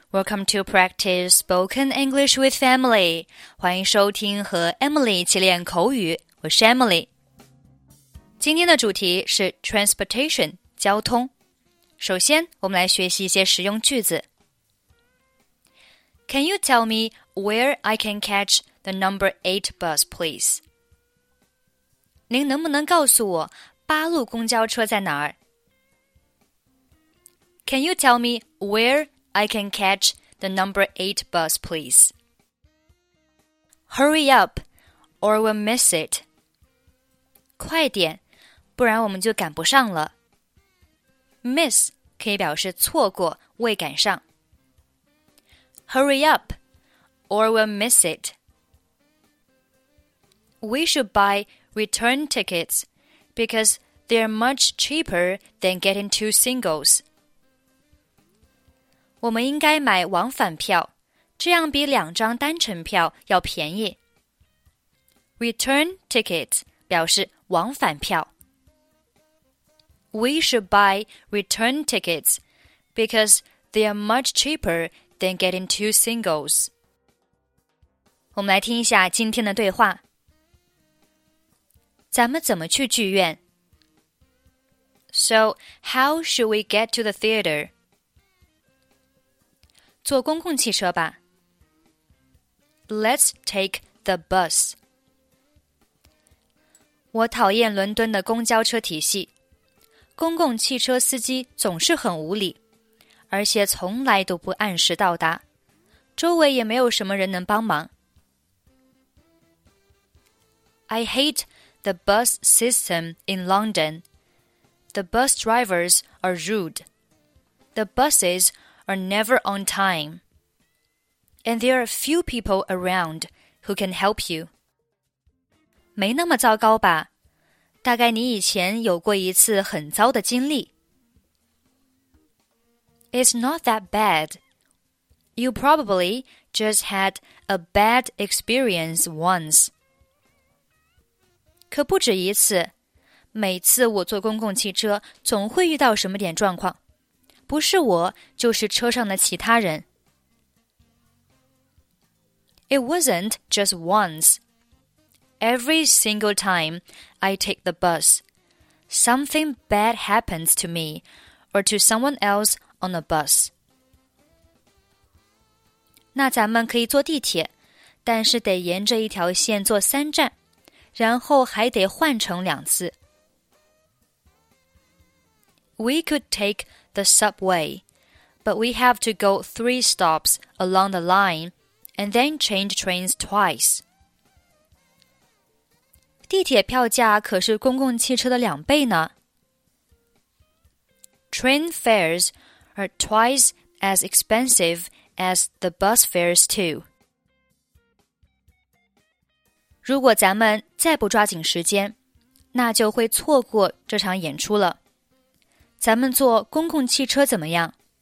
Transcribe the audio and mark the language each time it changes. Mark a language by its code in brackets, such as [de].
[en] Welcome to Practice Spoken English with Emily. [zh] 欢迎收听和 Emily 一起练口语。我是 Emily。今天的主题是 transportation, 交通。首先我们来学习一些实用句子。 [en] Can you tell me where I can catch the number 8 bus, please? [zh] 您能不能告诉我八路公交车在哪儿？ [en] Can you tell me where I can catch the number 8 bus, please? Hurry up, or we'll miss it. [zh] 快点，不然我们就赶不上了。 Miss 可以表示错过、未赶上。 [en] Hurry up, or we'll miss it. We should buy return tickets because they're much cheaper than getting two singles. [zh] 我们应该买往返票，这样比两张单程票要便宜。 [en] Return tickets [zh] 表示往返票。 [en] We should buy return tickets because they are much cheaper than getting two singles. [zh] 我们来听一下今天的对话。咱们怎么去剧院 [en] ？So how should we get to the theater? [zh] 坐公共汽车吧。 [en] Let's take the bus. [zh] 我讨厌伦敦的公交车体系。公共汽车司机总是很无理，而且从来都不按时到达，周围也没有什么人能帮忙。 [en] I hate the bus system in London. The bus drivers are rude. The buses are never on time. And there are few people around who can help you. [zh] 没那么糟糕吧？大概你以前有过一次很糟的经历。 [en] It's not that bad. You probably just had a bad experience once. [zh] 可不止一次，每次我坐公共汽车总会遇到什么点状况。不是我，就是车上的其他人。 [en] It wasn't just once. Every single time I take the bus, something bad happens to me or to someone else on the bus. [zh] 那咱们可以坐地铁，但是得沿着一条线坐三站，然后还得换乘两次。 [en] We could take the subway, but we have to go 3 stops along the line and then change trains twice. [zh] 地铁票价可是公共汽车的两倍呢。 [en] Train fares are twice as expensive as the bus fares too. [zh] 如果咱们再不抓紧时间，那就会错过这场演出了。咱们坐公共汽车怎么样?